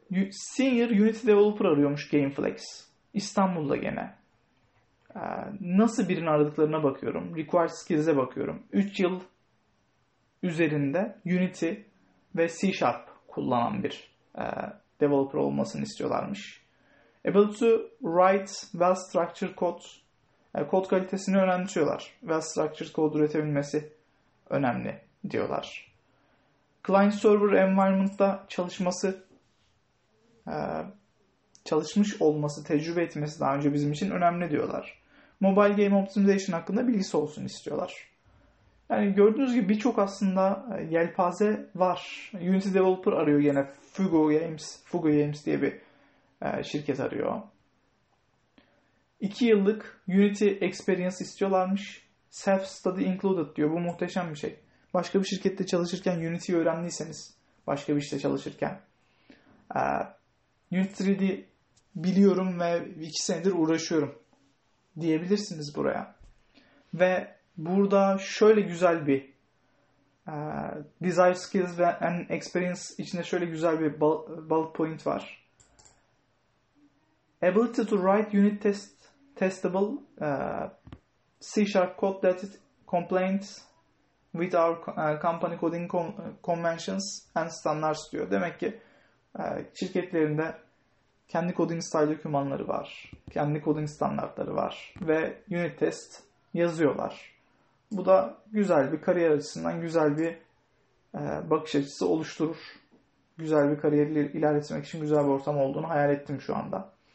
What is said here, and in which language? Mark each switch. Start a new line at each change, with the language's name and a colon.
Turkish: Senior Unity Developer arıyormuş Gameflex. İstanbul'da gene. Nasıl birini aradıklarına bakıyorum. Required skills'e bakıyorum. 3 yıl üzerinde Unity ve C Sharp kullanan bir developer olmasını istiyorlarmış. Able to write well-structured code. Kod kalitesini önemsiyorlar. Well-structured code üretebilmesi önemli diyorlar. Client-server environment'ta çalışmış olması, tecrübe etmesi daha önce bizim için önemli diyorlar. Mobile game optimization hakkında bilgisi olsun istiyorlar. Yani gördüğünüz gibi birçok aslında yelpaze var. Unity developer arıyor yine. Fugo Games diye bir şirket arıyor. 2 yıllık Unity experience istiyorlarmış.
English: Self study included
Turkish: diyor. Bu muhteşem bir şey. Başka bir şirkette çalışırken Unity'yi öğrendiyseniz, başka bir işte çalışırken Unity 3D biliyorum ve 2 senedir uğraşıyorum diyebilirsiniz buraya. Ve burada şöyle güzel bir
English: desired skills
Turkish: ve an experience içinde şöyle güzel bir bullet point var.
English: Ability to write unit testable C# code that is compliant with our company coding conventions and standards
Turkish: diyor. Demek ki şirketlerinde kendi coding style dokümanları var. Kendi coding standartları var. Ve unit test yazıyorlar. Bu da güzel bir kariyer açısından güzel bir bakış açısı oluşturur. Güzel bir kariyeri ilerletmek için güzel bir ortam olduğunu hayal ettim şu anda.